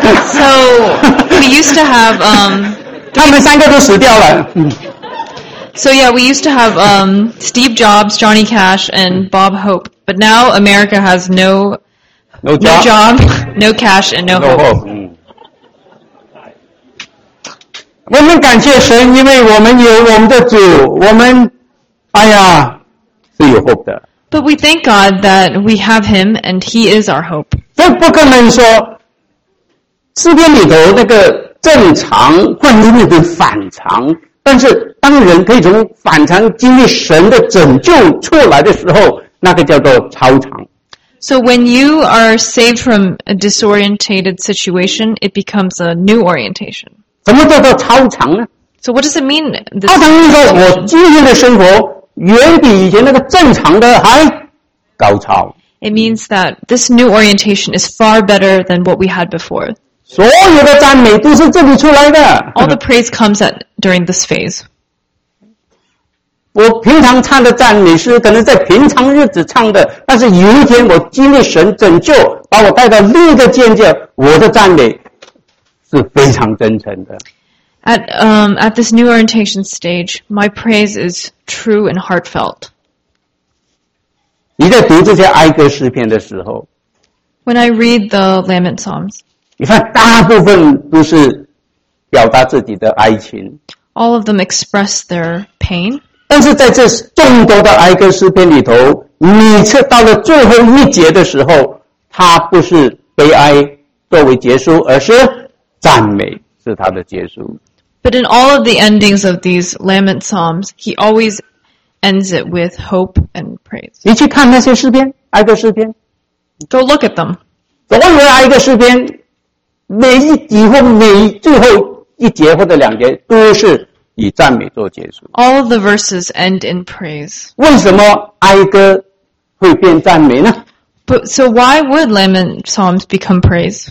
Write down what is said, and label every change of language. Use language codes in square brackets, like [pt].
[en] So, we used to have... [zh] 他们三个都死掉了。 [en] So, yeah, we used to have Steve Jobs, Johnny Cash, and Bob Hope. But now, America has no job, no cash, and no hope. [zh] 我们感谢神，因为我们有我们的主，我们，哎呀，是有 hope 的。 [en] But we thank God that we have Him and He is our hope. [zh] 这不可能说，诗篇里头那个正常，冠军里的反常，但是当人可以从反常经历神的拯救出来的时候，那个叫做超常。 [en] So when you are saved from a disorientated situation, it becomes a new orientation. [zh] 什么叫做超常呢？ [en] So what does it mean? [zh] 超常就是说我今天的生活远比以前那个正常的还高超。 [en] It means that this new orientation is far better than what we had before. [zh] 所有的赞美都是这里出来的。 [en] All the praise comes at, during this phase. [zh] 我平常唱的赞美是可能在平常日子唱的，但是有一天我经历神拯救，把我带到另一个境界，我的赞美是非常真诚的。 [en] At this new orientation stage, my praise is true and heartfelt. [zh] 你在读这些哀歌诗篇的时候， [en] When I read the Lament Psalms, [zh] 你看大部分都是表达自己的哀情。 [en] All of them express their pain. [zh] 但是在这众多的哀歌诗篇里头，你却到了最后一节的时候，它不是悲哀作为结束，而是赞美。 [en] But in all of the endings of these Lament Psalms, he always ends it with hope and praise. [zh] 你去看那些诗篇，哀歌诗篇。 [en] Go look at them. [zh] 所有哀歌诗篇，每一以后每最后一节或者两节都是以赞美做结束。 [en] All of the verses end in praise. [zh] 为什么哀歌会变赞美呢？ [en] But so why would Lament Psalms become praise?